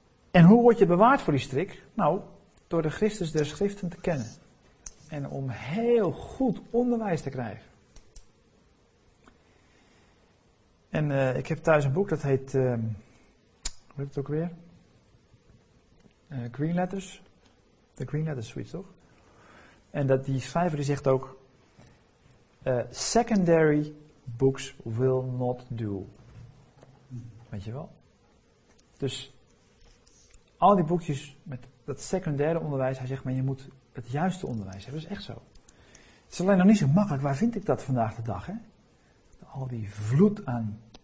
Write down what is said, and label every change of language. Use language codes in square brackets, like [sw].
[nl] En hoe word je bewaard voor die strik? Nou, door de Christus der Schriften te kennen en om heel goed onderwijs te krijgen. En ik heb thuis een boek, dat heet, hoe heet het ook weer? Green Letters. De Green Letters, zoiets toch? En dat die schrijver die zegt ook, [en] Secondary books will not do. [nl] Weet je wel? Dus al die boekjes met dat secundaire onderwijs, hij zegt, maar je moet het juiste onderwijs hebben. Dat is echt zo. Het is alleen nog niet zo makkelijk. Waar vind ik dat vandaag de dag? Hè? Al die vloed aan.